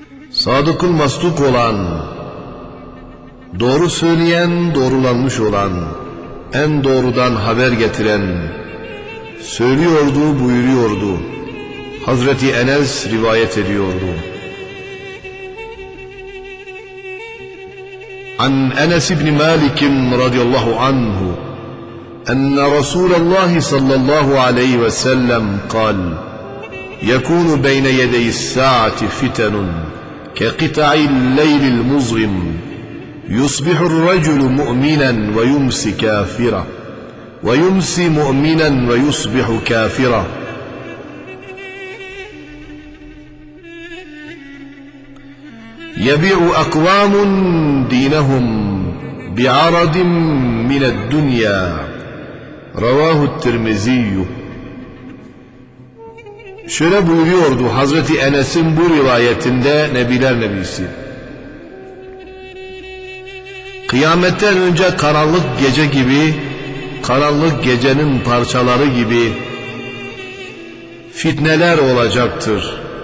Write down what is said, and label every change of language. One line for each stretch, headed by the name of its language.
Turkish: Sadıkul masduk olan, doğru söyleyen, doğrulanmış olan, en doğrudan haber getiren, söylüyordu, buyuruyordu, Hazreti Enes rivayet ediyordu.
Arabic: عن أنس بن مالك رضي الله عنه أن رسول الله صلى الله عليه وسلم قال يكون بين يدي الساعة فتن كقطع الليل المظلم يصبح الرجل مؤمنا ويمسي كافرا ويمسي مؤمنا ويصبح كافرا. يبيع أقوام دينهم بعرض من الدنيا. رواه الترمذي.
Turkish: Şöyle buyuruyordu Hazreti Enes'in bu rivayetinde Nebiler Nebisi. Kıyametten önce karanlık gece gibi, karanlık gecenin parçaları gibi fitneler olacaktır.